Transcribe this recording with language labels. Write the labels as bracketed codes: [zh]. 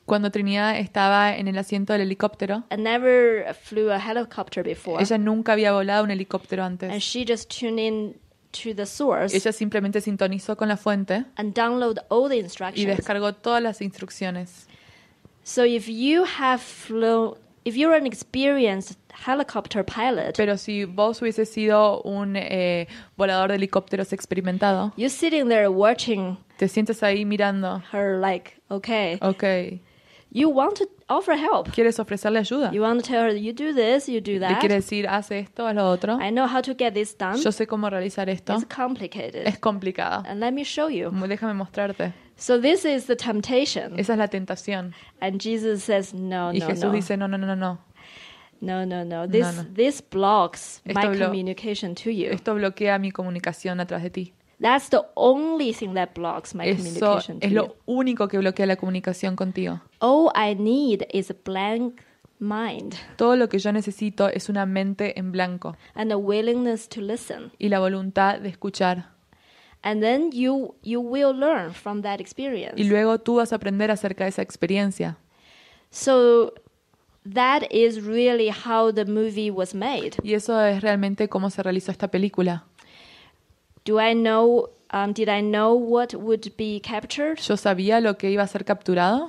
[es] Cuando Trinidad estaba en el asiento del helicóptero. [en] And never flew a helicopter before. [es] Ella nunca había volado un helicóptero antes. [en] And she just tuned in to the source. [es] Ella simplemente sintonizó con la fuente. [en] And downloaded all the instructions. [es] Y descargó todas las instrucciones. [en] So if you have flown, if you're an experienced helicopter pilot, [es] pero si vos hubieses sido un volador de helicópteros experimentado, [en] you're sitting there watching, [es] te sientes ahí mirando, [en] her like, okay, okay, you want to offer help, [es] quieres ofrecerle ayuda, [en] you want to tell her you do this, you do that, [es] le quieres decir haz esto, haz lo otro, [en] I know how to get this done, [es] yo sé cómo realizar esto, [en] it's complicated, [es] es complicado, [en] and let me show you, [es] déjame mostrarte. [en] So this is the temptation. [es] Esa es la tentación. [en] And Jesus says no, [es] y Jesús no, dice, no, no, no, no. [en] No, no, no. This blocks my communication to you. [es] Esto bloquea mi comunicación atrás de ti. [en] That's the only thing that blocks my communication to you. [es] Es lo único que bloquea la comunicación contigo. [en] All I need is a blank mind. [es] Todo lo que yo necesito es una mente en blanco. [en] And a willingness to listen. [es] Y la voluntad de escuchar. [en] And then you will learn from that experience. [es] Y luego tú vas a aprender acerca de esa experiencia. [en] So that is really how the movie was made. [es] Y eso es realmente cómo se realizó esta película. [en] Do I know? Did I know what would be captured? [es] ¿Yo sabía lo que iba a ser capturado?